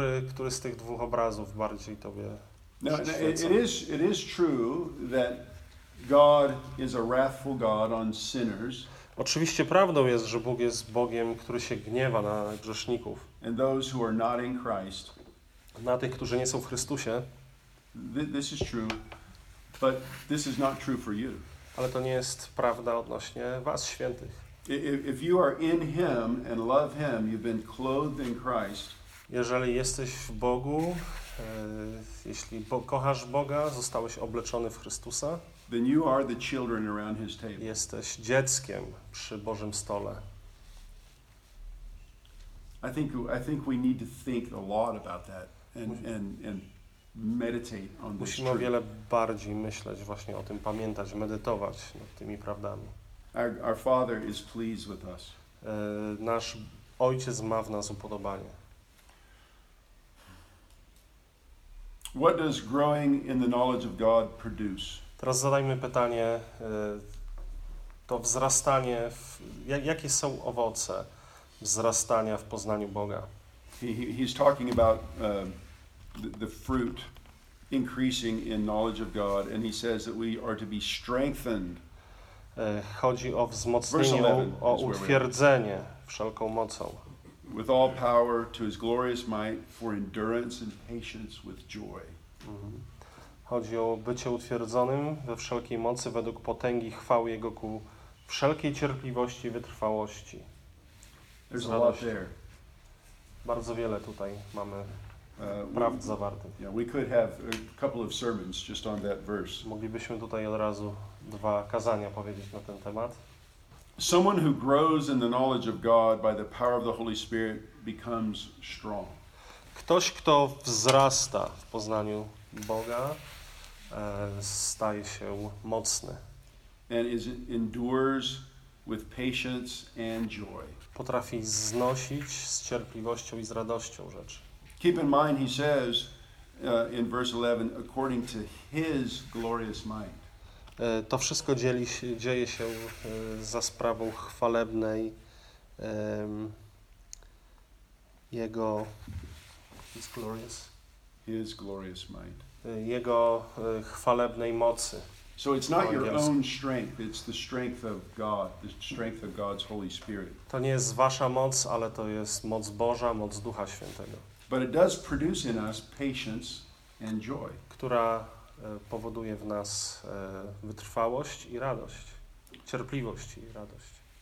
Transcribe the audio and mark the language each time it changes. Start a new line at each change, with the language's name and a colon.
Polish: Który z tych dwóch obrazów bardziej tobie przyświeca?
English: It is true that God is a wrathful God on sinners.
Polish: Oczywiście prawdą jest, że Bóg jest Bogiem, który się gniewa na grzeszników.
English: And those who are not in Christ.
Polish: Na tych, którzy nie są w Chrystusie.
English: This is true, but this is not true for you.
Polish: Ale to nie jest prawda odnośnie was świętych.
English: If you are in him and love him, you've been clothed in Christ.
Polish: Jeżeli jesteś w Bogu, jeśli kochasz Boga, zostałeś obleczony w Chrystusa.
English: Then you are the children around his table.
Polish: Jesteś dzieckiem przy Bożym stole.
English: I think we need to think a lot about that and meditate on this.
Polish: Musimy o wiele bardziej myśleć właśnie o tym, pamiętać, medytować nad tymi prawdami.
English: Our Father is pleased with us.
Polish: Nasz Ojciec ma w nas upodobanie.
English: What does growing in the knowledge of God produce?
Polish: Teraz zadajmy pytanie, to wzrastanie, jakie są owoce wzrastania w poznaniu Boga?
English: He's talking about the fruit increasing in knowledge of God, and he says that we are to be strengthened.
Polish: Chodzi o wzmocnienie, o utwierdzenie wszelką mocą.
English: With all power to his glorious might for endurance and patience with joy.
Polish: Chodzi o bycie utwierdzonym we wszelkiej mocy według potęgi chwały Jego ku wszelkiej cierpliwości i wytrwałości.
English: There's a lot there.
Polish: Bardzo wiele tutaj mamy prawd zawartych.
English: Yeah, we could have a couple of sermons just on that verse.
Polish: Moglibyśmy tutaj od razu dwa kazania powiedzieć na ten temat.
English: Someone who grows in the knowledge of God by the power of the Holy Spirit becomes strong.
Polish: Ktoś, kto wzrasta w poznaniu Boga, staje się mocny.
English: And is endures with patience and joy.
Polish: Potrafi znosić z cierpliwością i z radością rzeczy.
English: Keep in mind, he says in verse 11, according to his glorious might.
Polish: To wszystko dzieje się za sprawą chwalebnej jego.
English: His glorious. His glorious might.
Polish: Jego chwalebnej mocy.
English: So it's not your own strength, it's the strength of God, the strength of God's Holy Spirit.
Polish: To nie jest wasza moc, ale to jest moc Boża, moc Ducha Świętego.
English: But it does produce in us patience and joy.
Polish: Która powoduje w nas wytrwałość i radość, cierpliwość i radość.